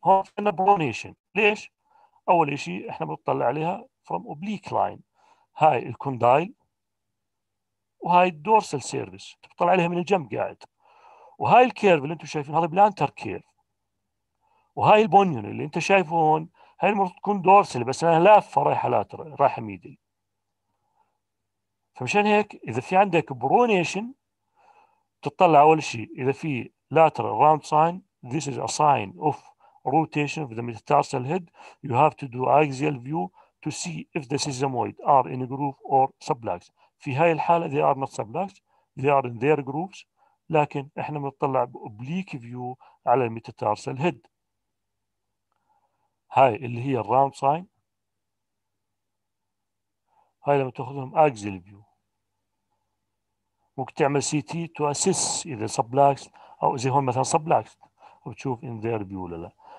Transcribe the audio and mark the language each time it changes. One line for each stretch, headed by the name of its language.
Arabic: هون عندنا برونيشن. ليش؟ اول شيء احنا بنطلع عليها فروم اوبليك لاين، هاي الكوندايل وهاي الدورسال سيرفيس، بتطلع عليها من الجنب قاعد. وهاي الكيرف اللي انتم شايفين هذا بلانتر كيرف، وهاي البونيون اللي انت شايفه هون هاي المفروض تكون دورسال، بس انا لافه رايحه لاتر، رايحه ميدل. فمشان هيك إذا في
English: عندك برونيشن تطلع أول شيء إذا في lateral round sign, this is a sign of rotation of the metatarsal head. You have to do axial view to see if the sesamoid are in a groove or sublux.
Arabic: في هاي الحالة
English: they are not sublux, they are in their grooves.
Arabic: لكن إحنا بنطلع
English: oblique view
Arabic: على
English: metatarsal head.
Arabic: هاي اللي هي
English: round sign.
Arabic: هاي لما تأخذهم
English: axial view.
Arabic: ممكن تعمل سي تي تو اسس اذا سبلاكس، او زي هون مثلا سبلاكس وتشوف ان ذير فيو ولا لا.